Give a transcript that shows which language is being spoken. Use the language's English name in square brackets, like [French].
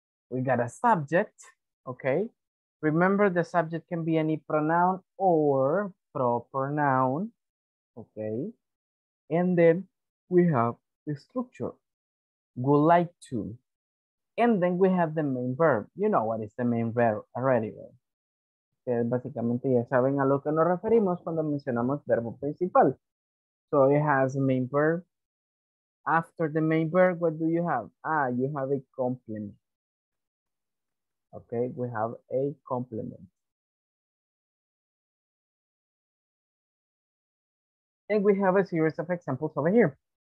[English] We got a subject, okay? Remember, the subject can be any pronoun or proper noun, okay? And then we have the structure, would like to. And then we have the main verb. You know what is the main verb already, right? [Spanish] Básicamente ya saben a lo que nos referimos cuando mencionamos verbo principal. [English] So it has a main verb. After the main verb, what do you have? Ah, you have a complement. Okay, we have a complement. And we have a series of examples over here.